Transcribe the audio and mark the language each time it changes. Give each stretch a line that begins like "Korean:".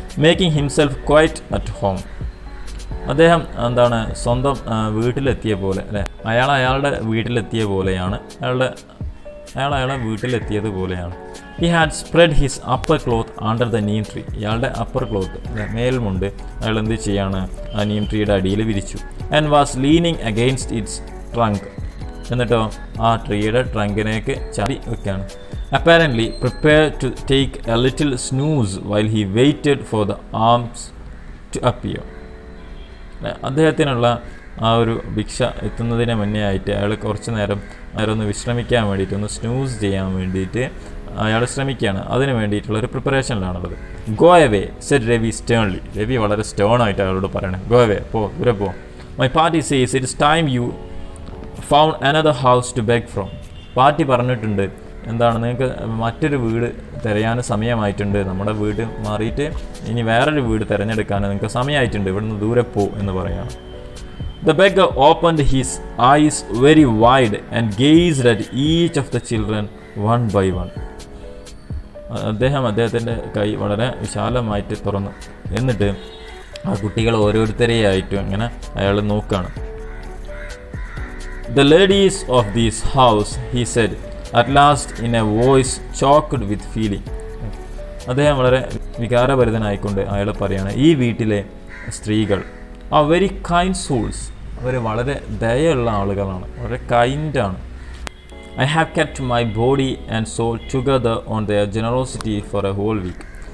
English: making himself quite at home,
Malayalam: അദ്ദേഹം എന്താണ് സ്വന്തം വീട്ടിലെത്തിയ പോലെ അല്ലേ, അയാൾ അയാളുടെ വീട്ടിലെത്തിയ പോലെയാണ്, അയാളുടെ അയാൾ അയാളെ വീട്ടിലെത്തിയത് പോലെയാണ്.
English: He had spread his upper cloth under the neem tree.
Malayalam: ഇയാളുടെ അപ്പർ ക്ലോത്ത് മേൽമുണ്ട് അയാൾ എന്ത് ചെയ്യാണ്, ആ നീം ട്രീയുടെ അടിയിൽ വിരിച്ചു.
English: and was leaning against its trunk,
Malayalam: എന്നിട്ടോ ആ ട്രീയുടെ ട്രങ്കിനേക്ക് ചാടി വയ്ക്കുകയാണ്.
English: Apparently prepared to take a little snooze while he waited for the arms to appear.
Malayalam: അദ്ദേഹത്തിനുള്ള ആ ഒരു ഭിക്ഷ എത്തുന്നതിന് മുന്നേ ആയിട്ട് അയാൾ കുറച്ച് നേരം ഒന്ന് വിശ്രമിക്കാൻ വേണ്ടിയിട്ട് ഒന്ന് സ്നൂസ് ചെയ്യാൻ വേണ്ടിയിട്ട് അയാൾ ശ്രമിക്കുകയാണ്. അതിന് വേണ്ടിയിട്ടുള്ള ഒരു പ്രിപ്പറേഷനിലാണുള്ളത്.
English: Go away said Ravi sternly.
Malayalam: Ravi വളരെ സ്റ്റേൺ ആയിട്ട് അയാളോട് പറയണേ, ഗോ അവേ, പോ, ദൂരെ പോ.
English: My party says it's time you found another house to beg from.
Malayalam: Party പറഞ്ഞിട്ടുണ്ട് എന്താണ്, നിങ്ങൾക്ക് മറ്റൊരു വീട് തിരയാൻ സമയമായിട്ടുണ്ട്, നമ്മുടെ വീട് മാറിയിട്ട് ഇനി വേറൊരു വീട് തിരഞ്ഞെടുക്കാൻ നിങ്ങൾക്ക് സമയമായിട്ടുണ്ട്, ഇവിടുന്ന് ദൂരെ പോ എന്ന് പറയാം.
English: The beggar opened his eyes very wide and gazed at each of the children one by one.
Malayalam: അദ്ദേഹത്തിൻ്റെ കൈ വളരെ വിശാലമായിട്ട് തുറന്നു, എന്നിട്ട് ആ കുട്ടികൾ ഓരോരുത്തരെയായിട്ടും അങ്ങനെ അയാൾ നോക്കുകയാണ്.
English: The ladies of these house he said At last, in a voice choked with feeling.
Malayalam: അദ്ദേഹം വളരെ വികാരഭരിതനായിക്കൊണ്ട് അയാൾ പറയുകയാണ്, ഈ വീട്ടിലെ സ്ത്രീകൾ
English: ആ very kind souls,
Malayalam: അവർ വളരെ ദയയുള്ള ആളുകളാണ്, വളരെ കൈൻഡാണ്.
English: I have kept my body and soul together on their generosity for a whole week.